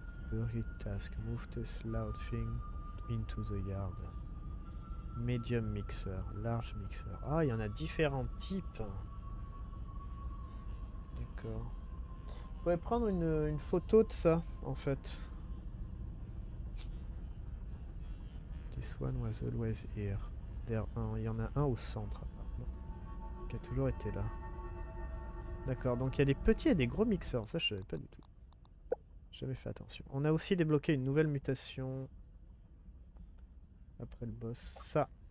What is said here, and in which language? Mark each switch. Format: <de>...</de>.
<en>Burry task, move this loud thing into the yard. Medium mixer, large mixer.</en> <fr>Ah, il y en a différents types. D'accord. On pourrait prendre une photo de ça, en fait.</fr> <en>This one was always here.</en> <fr>Il y en a un au centre, apparemment. Qui a toujours été là. D'accord, donc il y a des petits et des gros mixeurs. Ça, je savais pas du tout. Jamais fait attention. On a aussi débloqué une nouvelle mutation après le boss. Ça.</fr>